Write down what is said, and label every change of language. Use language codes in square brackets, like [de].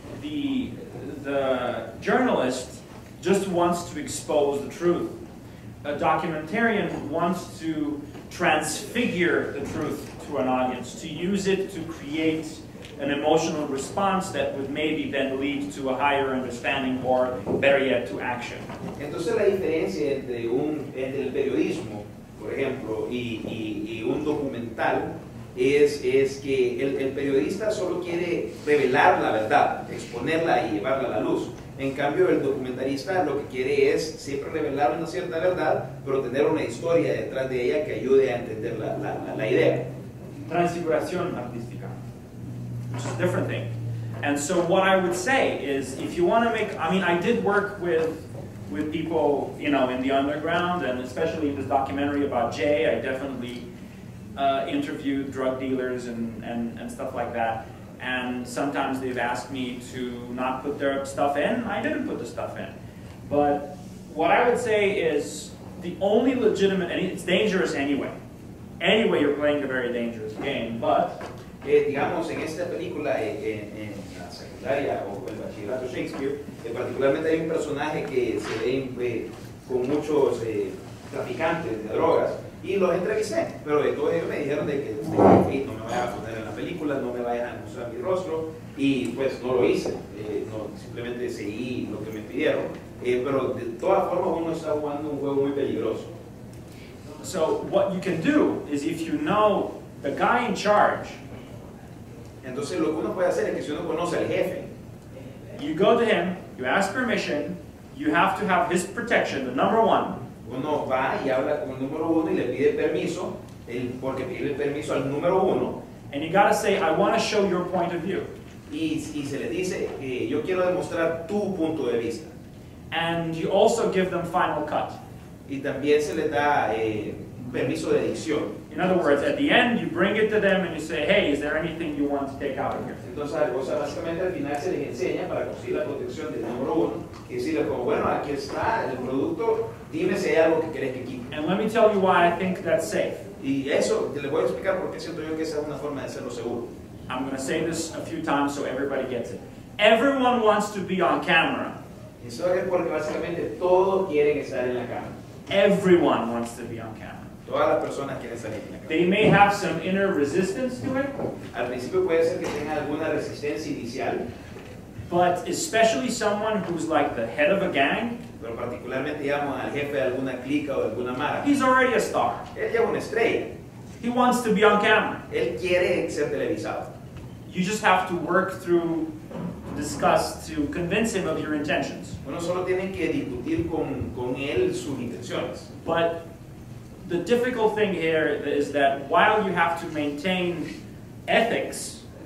[en] The journalist just wants to expose the truth. A documentarian wants to transfigure the truth to an audience, to use it to create an emotional response that would maybe then lead to a higher understanding or, better yet, to action. [es] Entonces la diferencia entre el periodismo, por ejemplo, y un documental, es que el periodista solo quiere revelar la verdad, exponerla y llevarla a la luz. En cambio, el documentalista lo que quiere es siempre revelar una cierta verdad, pero tener una historia detrás de ella que ayude a entender la idea. Transfiguración artística, [en] which is a different thing. And so what I would say is, if you want to make, I mean, I did work with people, you know, in the underground, and especially in this documentary about Jay, I definitely interviewed drug dealers and stuff like that. And sometimes they've asked me to not put their stuff in. I didn't put the stuff in. But what I would say is the only legitimate, and it's dangerous anyway. Anyway, you're playing a very dangerous game, but... [es] digamos, en esta película, en la secundaria o el bachillerato Shakespeare, particularmente hay un personaje que se ve con muchos traficantes de drogas y los entrevisté, pero de todos ellos me dijeron de que no me vayan a poner en la película, no me vayan a mostrar mi rostro, y pues no lo hice, no, simplemente seguí lo que me pidieron, pero de todas formas uno está jugando un juego muy peligroso. [en] So what you can do is, if you know the guy in charge, [es] entonces lo que uno puede hacer es que si uno conoce al jefe, [en] you go to him, you ask permission, you have to have his protection, the number one. [es] Uno va y habla con el número uno y le pide permiso, porque pide permiso al número uno. [en] And you gotta say, I want to show your point of view. [es] Y se le dice, yo quiero demostrar tu punto de vista. [en] And you also give them final cut. [es] Y también se le da permiso de edición. [en] In other words, at the end, you bring it to them and you say, hey, is there anything you want to take out of here? [es] Entonces, o sea, básicamente al final se les enseña para conseguir la protección del número uno. Y decirle como, bueno, aquí está el producto, dime si hay algo que querés que quite. [en] And let me tell you why I think that's safe. [es] Y eso, le voy a explicar por qué siento yo que esa es una forma de hacerlo seguro. [en] I'm going to say this a few times so everybody gets it. Everyone wants to be on camera. [es] Eso es porque básicamente todos quieren estar en la cámara. [en] Everyone wants to be on camera. [es] Todas las personas quieren salir en la cámara. [en] They may have some inner resistance to it. [es] Al principio puede ser que tenga alguna resistencia inicial. [en] But especially someone who's like the head of a gang. [es] Pero particularmente, digamos, al jefe de alguna clica o de alguna mara. [en] He's already a star. [es] Él ya es una estrella. [en] He wants to be on camera. [es] Él quiere ser televisado. [en] You just have to work through discuss to convince him of your intentions. [es] Uno solo tiene que discutir con él sus intenciones. [en] But the difficult thing here is that while you have to maintain ethics,